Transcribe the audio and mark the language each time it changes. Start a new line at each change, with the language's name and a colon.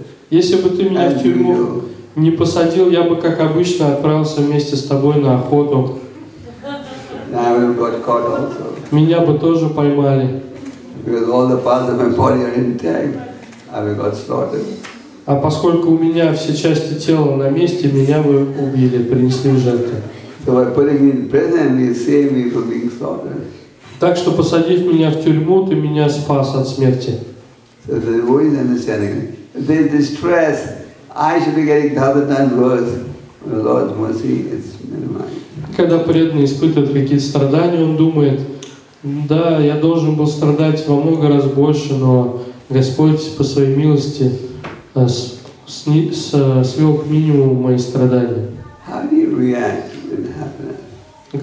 Russian: Если бы ты меня в тюрьму не посадил, я бы, как обычно, отправился вместе с тобой на охоту.
English: I would have got caught also.
Russian: Меня бы тоже поймали.
English: Because all the parts of my body are intact, I would have got slaughtered.
Russian: А поскольку у меня все части тела на месте, меня бы убили, принесли в жертву.
English: So by putting me in prison, you saved me from being slaughtered.
Russian: Так что посадив меня в тюрьму, ты меня спас от смерти.
English: So the devotee is understanding. This distress, I should be getting 1,000 times worse. The Lord's mercy is minimized.
Russian: Когда преданный испытывает какие-то страдания, он думает, да, я должен был страдать во много раз больше, но Господь по своей милости свел к минимуму мои страдания.
English: How do you react to happiness?